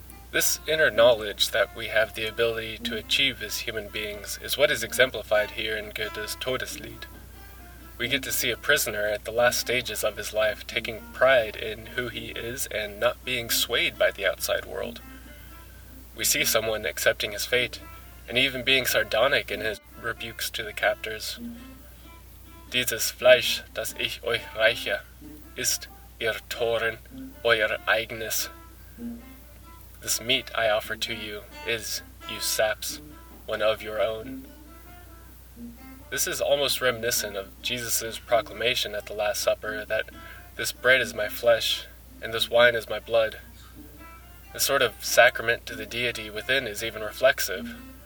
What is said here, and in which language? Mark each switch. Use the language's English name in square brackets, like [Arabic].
[English] This inner knowledge that we have the ability to achieve as human beings is what is exemplified here in Goethe's Todeslied. We get to see a prisoner at the last stages of his life taking pride in who he is and not being swayed by the outside world. We see someone accepting his fate, and even being sardonic in his rebukes to the captors. [German] Dieses Fleisch, das ich euch reiche, ist ihr Toren, euer eigenes. [English] This meat I offer to you is, you saps, one of your own. This is almost reminiscent of Jesus' proclamation at the Last Supper that this bread is my flesh, and this wine is my blood. The sort of sacrament to the deity within is even reflexive.